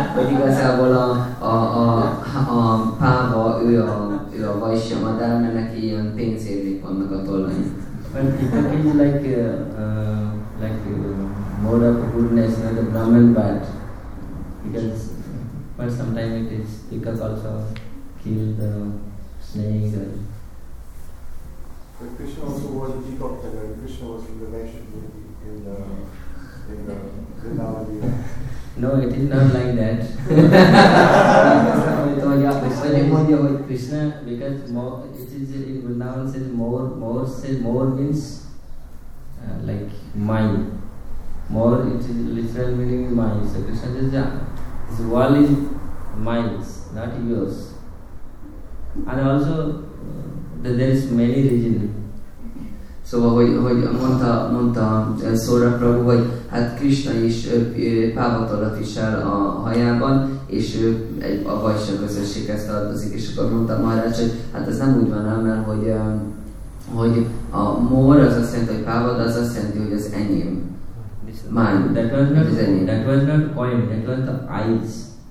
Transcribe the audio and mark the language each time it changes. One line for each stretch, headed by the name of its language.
Hungarian: Igazából a páva, ő a vajsa madár, mert neki ilyen pénzérmék vannak a tollain.
English: Well, it is like mode of goodness, not a Brahman, but because, but sometimes it is because also kill the snakes and Krishna also was a peacock feather. Krishna was in the relationship in the Vrindavan. No, it is not like that. Krishna, with Krishna, because more, it is in Vrindavan says more means like mine. More, it is literal meaning mine. So Krishna says, yeah, this world is mine, not yours. And also, there is many regions.
Hungarian: Szóval, hogy mondta Szóra Prabhu, hogy hát Krishna is pávatollat visel a hajában, és ő egy, a vajsa közösséghez tartozik, és akkor mondta Maharaj, hogy hát ez nem úgy van, mert hogy a mor az azt jelenti, hogy pávat, az azt jelenti, hogy az enyém.
English: Mine. That was not point, that was the eyes.